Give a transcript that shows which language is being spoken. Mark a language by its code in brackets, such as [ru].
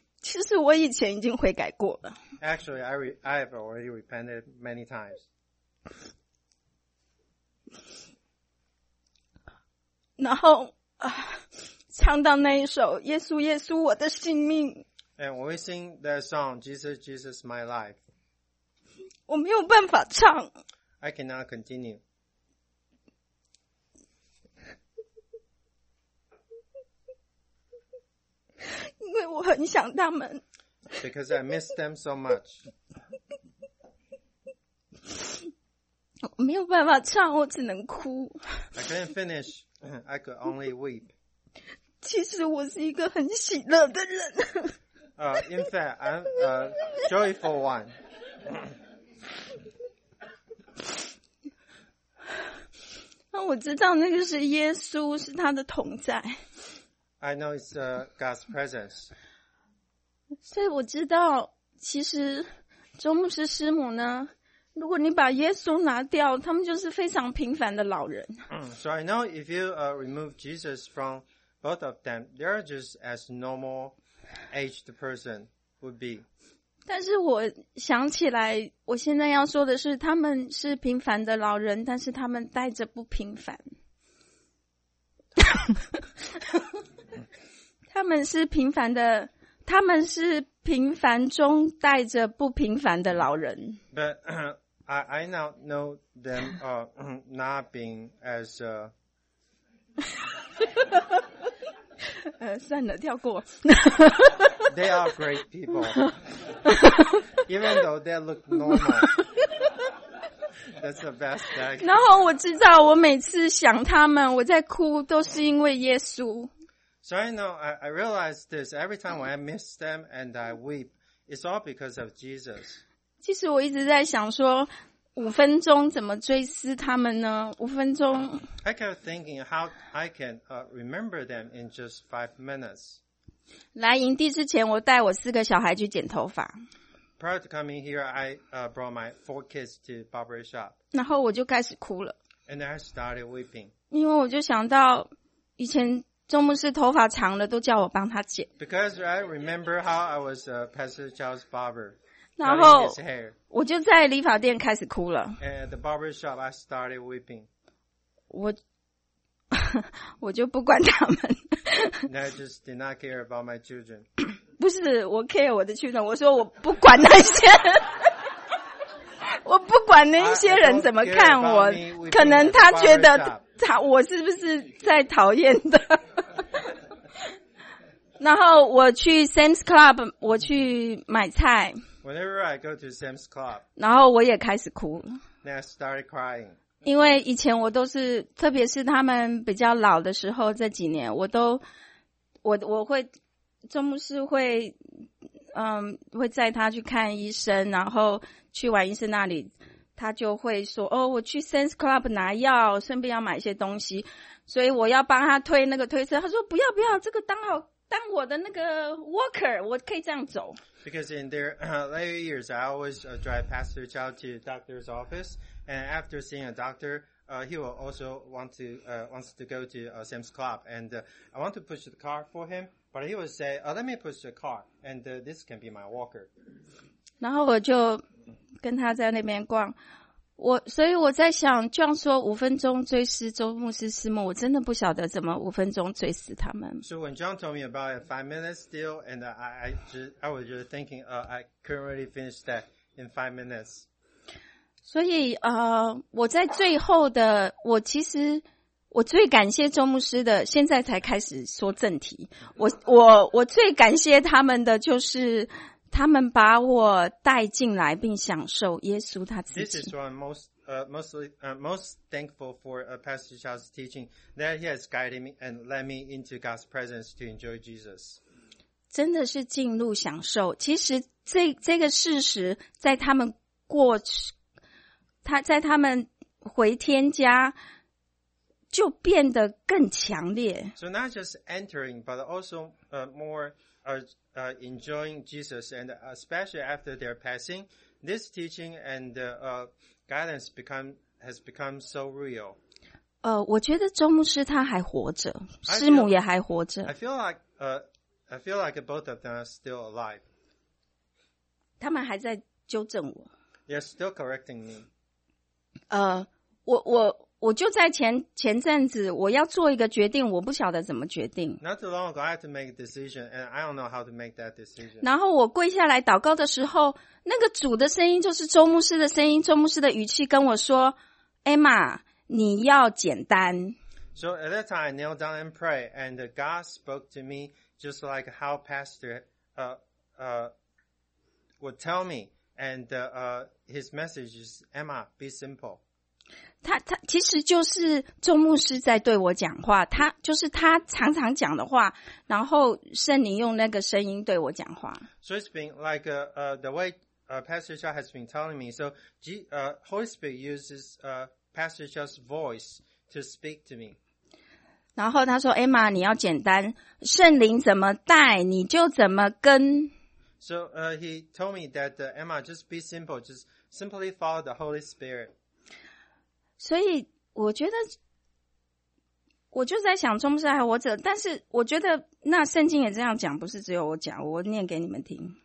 [zh] 其实我以前已经悔改过了。 [en] Actually, I have already repented many times. [zh] 然后唱到那一首耶稣耶稣我的性命。 [en] And when we sing that song, Jesus, Jesus, my life. [zh] 我没有办法唱。 [en] I cannot continue. [zh] 很想他们。 [en] Because I miss them so much. [zh] 没有办法唱，我只能哭。 [en] I couldn't finish. I could only weep. [zh] 其实我是一个很喜乐的人。 [en] In fact, I'm a joyful one. [zh] 那我知道那个是耶稣，是他的同在。 [en] I know it's God's presence. [zh] 所以我知道，其实周牧师师母呢，如果你把耶稣拿掉，他们就是非常平凡的老人。 [en] So I know if you remove Jesus from both of them, they are just as normal aged person would be. [zh] 但是我想起来，我现在要说的是，他们是平凡的老人，但是他们带着不平凡。他们是平凡的，他们是平凡中带着不平凡的老人。 [en] But I now know them not being as [zh] 算了，跳过。 [en] They are great people. Even though they look normal. That's the best thing. [zh] 然后我知道，我每次想他们，我在哭，都是因为耶稣。 [en] So I know, I realize this. Every time when I miss them and I weep, it's all because of Jesus. [zh] 其实我一直在想说，五分钟怎么追思他们呢？五分钟。 [en] I kept thinking how I can remember them in just 5 minutes. [zh] 来营地之前，我带我四个小孩去剪头发。 [en] Prior to coming here, I brought my 4 kids to barber shop. [zh] 然后我就开始哭了。 [en] And I started weeping. [zh] 因为我就想到以前钟牧师头发长了，都叫我帮他剪。 [en] Because I remember how I was Pastor Charles' barber. [zh] 然后我就在理发店开始哭了。 [en] And at the barber shop, I started weeping. [zh] 我就不管他们。 [en] And I just did not care about my children. [zh] 不是，我 care 我的 children. 我说我不管那些人。我不管那些人怎么看我，可能他觉得他我是不是在讨厌的。然后我去 Sam's Club, 我去买菜。 [en] Whenever I go to Sam's Club, [zh] 然后我也开始哭。 [en] Then I started crying. [zh] 因为以前我都是，特别是他们比较老的时候，这几年我都，我会，钟牧师会，会载他去看医生，然后去完医生那里，他就会说，哦，我去 Sam's Club 拿药，顺便要买一些东西，所以我要帮他推那个推车，他说不要不要，这个刚好当我的那个 walker, 我可以这样走。 [en] Because in their later years, I always drive Pastor Chow to the doctor's office, and after seeing a doctor, he will also wants to go to Sam's Club, and I want to push the car for him, but he will say, let me push the car, and this can be my walker. [zh] 然后我就跟他在那边逛，所以我在想，这样说五分钟追思周牧师师母，我真的不晓得怎么五分钟追思他们。 [en] So when John told me about a 5 minutes deal, and I was just thinking, I couldn't really finish that in 5 minutes. [zh] 所以我在最后的，我其实我最感谢周牧师的，现在才开始说正题。我最感谢他们的就是，他们把我带进来并享受耶稣他自己。 [en] This is what I'm most thankful for Pastor Charles' teaching, that he has guided me and led me into God's presence to enjoy Jesus. [zh] 真的是进入享受。其实这个事实在他们过去，在他们回天家就变得更强烈。 [en] So not just entering, but also more enjoying Jesus, and especially after their passing, this teaching and guidance has become so real. [zh] 我觉得周牧师他还活着，师母也还活着。 [en] I feel like both of them are still alive. [zh] 他们还在纠正我。 [en] They're still correcting me. [zh] 我就在前阵子，我要做一个决定，我不晓得怎么决定。 [en] Not too long ago, I had to make a decision, and I don't know how to make that decision. [zh] 然后我跪下来祷告的时候，那个主的声音就是周牧师的声音，周牧师的语气跟我说 ：“Emma, 你要简单。” [en] So at that time, I kneeled down and prayed, and God spoke to me just like how Pastor would tell me, and his message is, Emma, be simple. [zh] 他其实就是众牧师在对我讲话，他就是他常常讲的话，然后圣灵用那个声音对我讲话。 [en] So it's been like the way Pastor Cha has been telling me. So Holy Spirit uses Pastor Cha's voice to speak to me. [zh] 然后他说 ，Emma， 你要简单，圣灵怎么带你就怎么跟。 [en] So he told me that Emma just be simple, just simply follow the Holy Spirit. [zh] 所以我觉得，我就在想中山活着，但是我觉得那圣经也这样讲，不是只有我讲，我念给你们听。